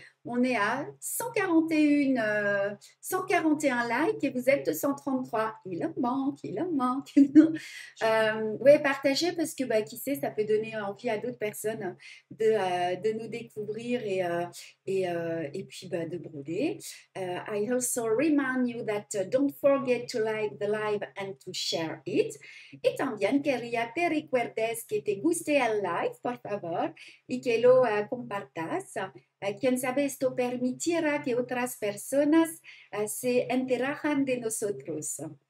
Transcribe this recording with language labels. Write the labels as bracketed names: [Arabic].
[French] On est à 141 likes et vous êtes 233. Il en manque, il en manque. oui, partagez parce que, bah, qui sait, ça peut donner envie à d'autres personnes de nous découvrir et puis bah, de brûler. [English] I also remind you that don't forget to like the live and to share it. [Spanish] Y también quería que recuerdes que te guste el live, por favor, y que lo compartas. Quién sabe, esto permitiera que otras personas se enteraran de nosotros.